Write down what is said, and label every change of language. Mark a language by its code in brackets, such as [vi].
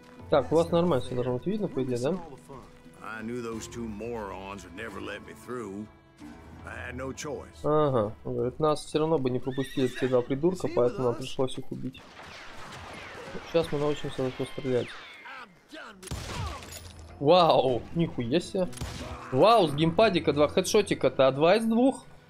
[ru] Так, у вас нормально все должно быть видно, по идее, да? [en] I knew those two morons would never let me through. I had no choice. [ru] Ага, он говорит, нас все равно бы не пропустили эти два придурка, поэтому нам пришлось их убить. Сейчас мы научимся на что стрелять. Вау, нихуя себе. Вау, с геймпадика два хедшотика-то, а два из двух?